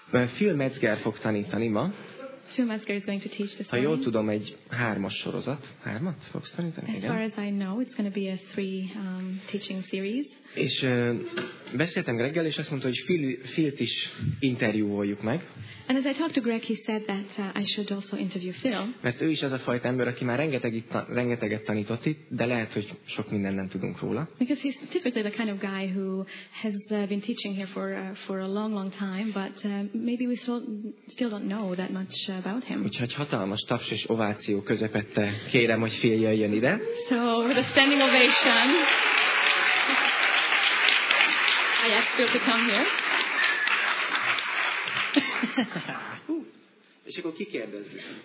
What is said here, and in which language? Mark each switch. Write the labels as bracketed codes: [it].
[hu] Phil Metzger fog tanítani ma. [en] Phil Metzger is going to teach this [hu] Ha jól tudom, egy hármas sorozat. Hármat fogsz tanítani? [en] As far as I know, it's going to be a three teaching series. [hu] És beszéltem Greggel, és azt mondta, hogy Phil-t is interjúoljuk meg. [en] And as I talked to Greg, he said that I should also interview Phil. [hu] Mert ő is az a fajta ember, aki már rengeteget tanított itt, de lehet, hogy sok mindent nem tudunk róla. [en] Because he's typically the kind of guy who has been teaching here for a long, long time, but maybe we still don't know that much about him. [hu] Úgyhogy hatalmas taps és ováció közepette kérem, hogy Phil jöjjön ide. [en] So, with a standing ovation, I asked Phil to come here. [hu] És akkor kikérdezzük.